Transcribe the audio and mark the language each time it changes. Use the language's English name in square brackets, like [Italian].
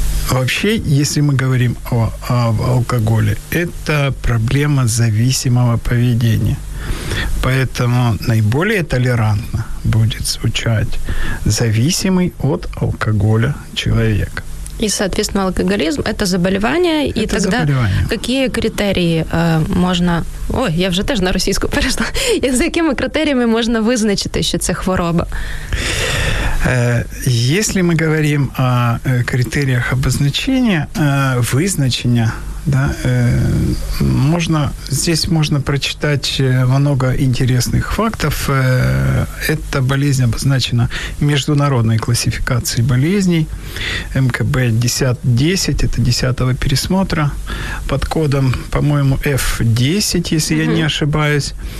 [Russian] Вообще, если мы говорим об алкоголе, это проблема зависимого поведения. Поэтому наиболее толерантно будет звучать зависимый от алкоголя человек. И, соответственно, алкоголизм – это заболевание. Это и тогда заболевание. Какие критерии можно... [Ukrainian] Ой, я вже теж на російську перейшла. І за якими критеріями можна визначити, що це хвороба? [Russian] Если мы говорим о критериях обозначения, визначення, да, можно, здесь можно прочитать много интересных фактов. Эта болезнь обозначена международной классификацией болезней МКБ-10, это 10-го пересмотра под кодом, по-моему, F10, если я не ошибаюсь.